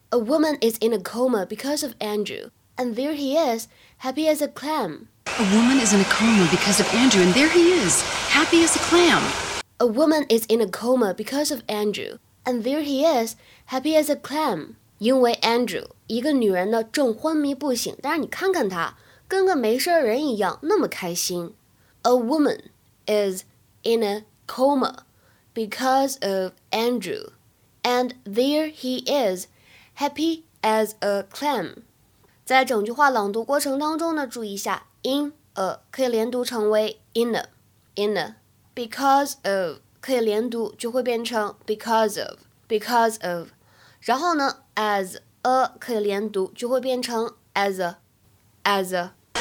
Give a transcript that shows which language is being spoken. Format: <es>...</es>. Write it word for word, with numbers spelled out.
<en>A woman is in a coma because of Andrew, and there he is, happy as a clam. A woman is in a coma because of Andrew, and there he is, happy as a clam. A woman is in a coma because of Andrew, and there he is, happy as a clam.</en> <zh>因为 Andrew, 一个女人呢正昏迷不醒，但是你看看她跟个没事人一样那么开心。</zh> <en>A woman is in a coma because of Andrew, and there he is, happy as a clam.</en> <zh>在整句话朗读过程当中呢，注意一下</zh> <en>in a</en> <zh>可以连读成为 in a, in a,</zh> <en>because of</en> <zh>可以连读就会变成 because of, because of, 然后呢</zh> <en>as a</en> <zh>可以连读就会变成 as a, as a.</zh>